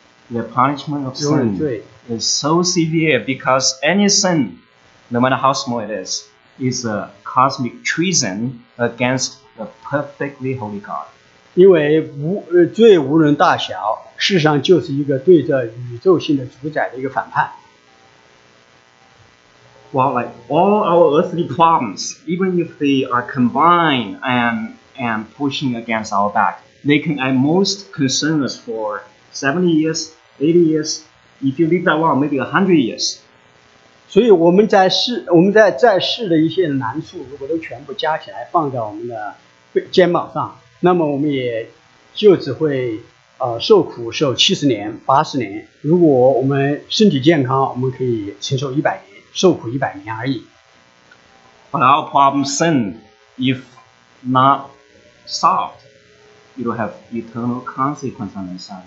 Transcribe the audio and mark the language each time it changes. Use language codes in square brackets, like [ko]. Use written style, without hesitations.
[en] The punishment of sin is so severe because any sin, no matter how small it is a cosmic treason against the perfectly holy God. [zh] 因为罪无论大小，事实上就是一个对着宇宙性的主宰的一个反叛。 [en] Well, like all our earthly problems, even if they are combined and and pushing against our back. They can at most concern us for 70 years, 80 years. If you live that long, maybe 100 years. [zh] 所以我们在世的一些难处，如果都全部加起来放在我们的肩膀上，那么我们也就只会受苦受70年、80年。如果我们身体健康，我们可以承受100年，受苦100年而已。 [en] But our problem sin, if not solved, it will have eternal consequence on us.